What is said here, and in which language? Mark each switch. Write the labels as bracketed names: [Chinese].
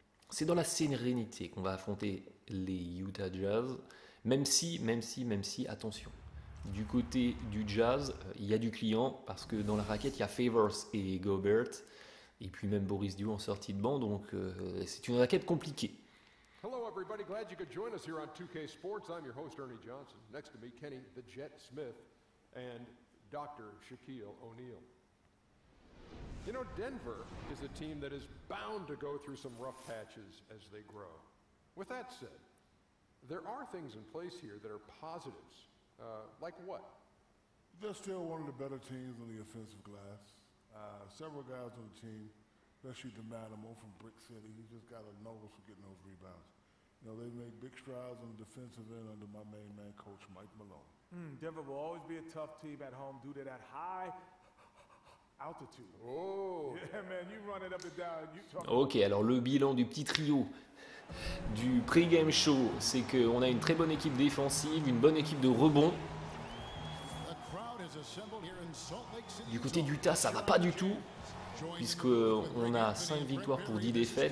[French] C'est dans la sérénité qu'on va affronter les Utah Jazz. Même si, attention, du côté du Jazz, il y a du client parce que dans la raquette, il y a Favors et Gobert. Et puis même Boris Diaw en sortie de banc, donc c'est une raquette compliquée. [English] Hello everybody, glad you could join us here on 2K Sports. I'm your host Ernie Johnson. Next to me, Kenny the Jet Smith and Dr. Shaquille O'Neal. You know, Denver is a team that is bound to go through some rough patches as they grow. With that said, there are things in place here that are positives. Like what? They're still one of the better teams on the offensive glass. Several guys on the team, especially DeMadamo from Brick City, he just got a nose for getting those rebounds. You know, they've made big strides on the defensive end under my main man, Coach Mike Malone. Denver will always be a tough team at home due to that high altitude. Oh! Yeah, man, you run it up and down. You talk Ok, about [French] alors le bilan du petit trio du pre-game show, c'est qu'on a une très bonne équipe défensive, une bonne équipe de rebond. Du côté d'Utah, ça va pas du tout, puisqu'on a 5 victoires pour 10 défaites.